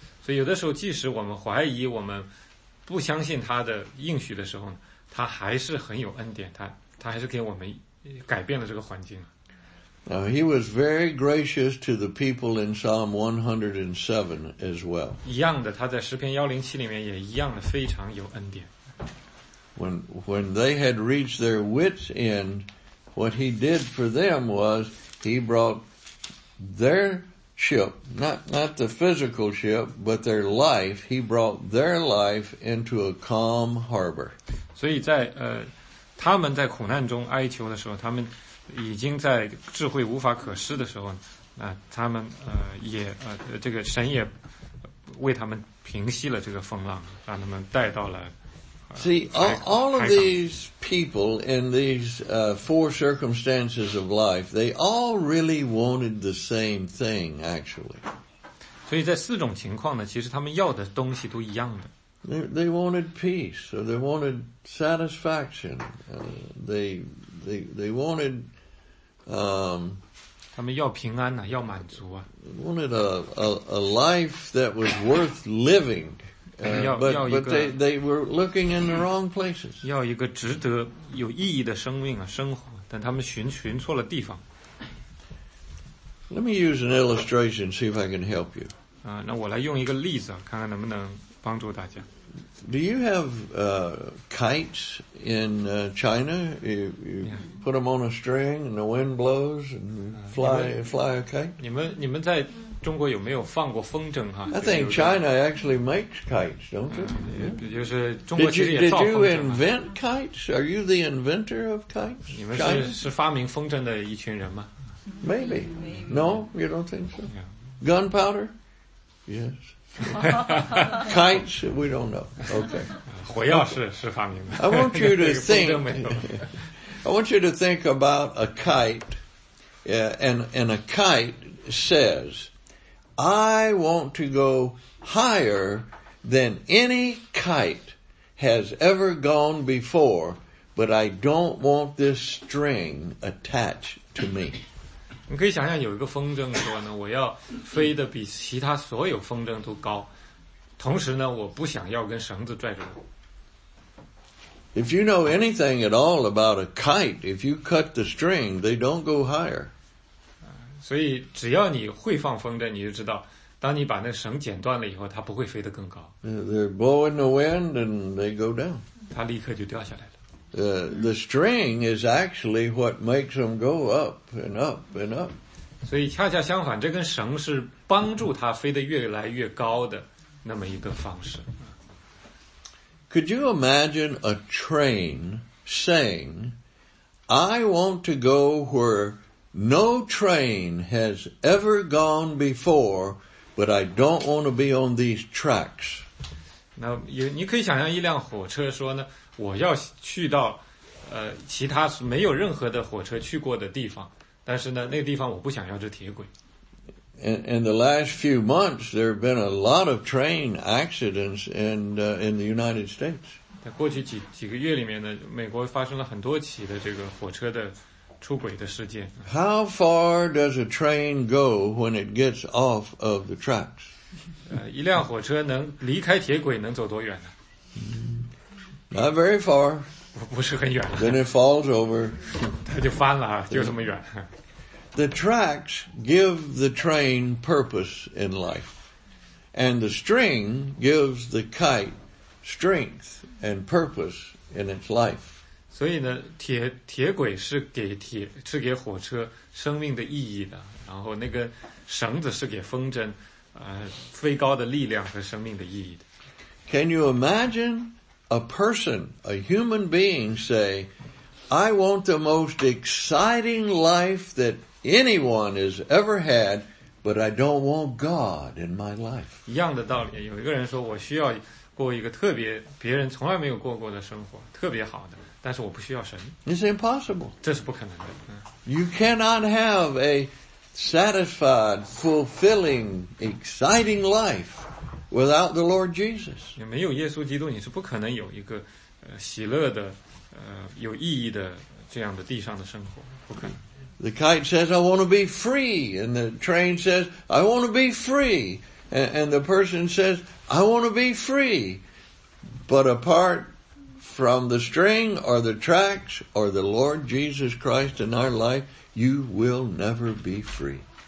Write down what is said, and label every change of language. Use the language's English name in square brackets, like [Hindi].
[Chinese] 所以有的时候即使我们怀疑，我们不相信他的应许的时候，他还是很有恩典，他还是给我们改变了这个环境。 [English] Now, he was very gracious to the people in Psalm 107 as well. [Chinese] 一样的，他在诗篇107里面也一样的非常有恩典。 [English] When they had reached their wits' end, what he did for them was he brought their ship, not the physical ship, but their life, he brought their life into a calm harbor. [Chinese] 所以在他们在苦难中哀求的时候，他们已经在智慧无法可施的时候，他们这个神也为他们平息了这个风浪，让他们带到了。 [English] See, all of these people in these four circumstances of life, they all really wanted the same thing, actually. [Chinese] 所以在四种情况呢，其实他们要的东西都一样的。 [English] They wanted peace, or they wanted satisfaction. They wanted [Chinese] 他们要平安啊，要满足啊。 [English] Wanted a life that was worth living. But they were looking in the wrong places. [Chinese] 要一个值得有意义的生命啊，生活，但他们寻错了地方。 [English] Let me use an illustration, see if I can help you. [Chinese] 啊，那我来用一个例子，看看能不能帮助大家。 [English] Do you have kites in China? You put them on a string and the wind blows and fly a kite? [Chinese] 你们在中国有没有放过风筝哈？ [English] I think China actually makes kites, don't you? [Chinese] 就是中国其实也造风筝。 [English] Did you invent kites? Are you the inventor of kites? [Chinese] 你们是发明风筝的一群人吗？ [English] Maybe. No, you don't think so? Gunpowder? Yes. Kites, we don't know. Okay. [Chinese] 火药是发明的。 [English] I want you to think about a kite, and a kite says, I want to go higher than any kite has ever gone before, but I don't want this string attached to me. [Chinese] 你可以想象有一个风筝说呢，我要飞得比其他所有风筝都高，同时呢，我不想要跟绳子拽着我。 [English] If you know anything at all about a kite, if you cut the string, they don't go higher. [Chinese] 所以只要你会放风筝，你就知道，当你把那绳剪断了以后，它不会飞得更高。 [English] They're blowing the wind and they go down. [Chinese] 它立刻就掉下来了。 [English] The string is actually what makes them go up and up and up. [Chinese] 所以恰恰相反，这根绳是帮助它飞得越来越高的那么一个方式。 [English] Could you imagine a train saying, I want to go where no train has ever gone before, but I don't want to be on these tracks? [Chinese] 那你可以想象一辆火车说呢，我要去到其他没有任何的火车去过的地方，但是呢那个地方我不想要这铁轨。 [English] In the last few months there have been a lot of train accidents in the United States. [Chinese] 在过去几个月里面呢，美国发生了很多起的这个火车的出轨的事件。 [English] How far does a train go when it gets off of the tracks? [Chinese] 一辆火车能离开铁轨能走多远呢？ [English] Not very far. [Chinese] 不是很远了。 [English] Then it falls over. [Chinese] 它就翻了啊，就这么远。 [English] The tracks give the train purpose in life. And the string gives the kite strength and purpose in its life. [Chinese] 所以呢，铁轨是给火车生命的意义的，然后那个绳子是给风筝飞高的力量和生命的意义的。 [English] Can you imagine? A person, a human being say, I want the most exciting life that anyone has ever had, but I don't want God in my life. [Chinese] 一样的道理，有一个人说我需要过一个特别，别人从来没有过过的生活，特别好的，但是我不需要神。 [English] It's impossible. [Chinese] 这是不可能的。 [English] You cannot have a satisfied, fulfilling, exciting life. Without the Lord Jesus, [Chinese] 没有耶稣基督，你是不可能有一个喜乐的有意义的这样的地上的生活，不可能。 [English] The kite says, "I want to be free," and the train says, "I want to be free," and the person says, "I want to be free," but apart from the string or the tracks or the Lord Jesus Christ in our life, you will never be free.